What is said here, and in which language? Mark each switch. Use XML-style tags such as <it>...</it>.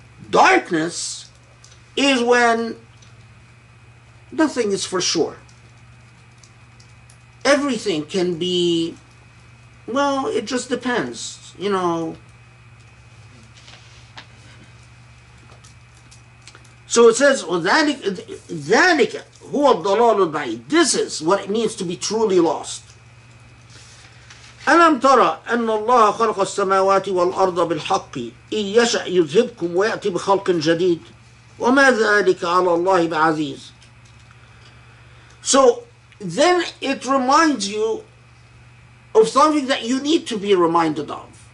<en>Darkness is when nothing is for sure. Everything can be, well, it just depends, you know. So it says,</en> <ar>ذلك هو الضلال البعيد.</ar> <en>This is what it means to be truly lost.</en> <ar>ألم ترى أن الله خلق السماوات والأرض بالحق إن يشأ يذهبكم ويأتي بخلق جديد وما ذلك على الله بعزيز.</ar> <en>So then it reminds you of something that you need to be reminded of.</en>